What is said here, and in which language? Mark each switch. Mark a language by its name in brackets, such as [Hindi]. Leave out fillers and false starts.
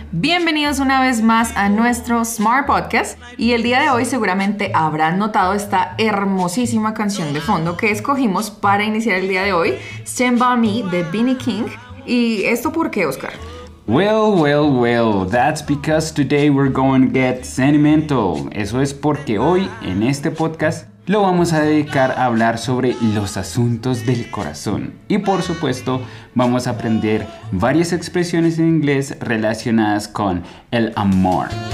[Spanish] Bienvenidos una vez más a nuestro Smart Podcast. Y el día de hoy seguramente habrán notado esta hermosísima canción de fondo que escogimos para iniciar el día de hoy, Stand By Me de Beanie King. ¿Y esto por qué, Oscar? [English] Well, that's because today we're going to get sentimental. [Spanish] Eso es porque hoy en este podcast lo vamos a dedicar a hablar sobre los asuntos del corazón. Y por supuesto, vamos a aprender varias expresiones en inglés relacionadas con el amor.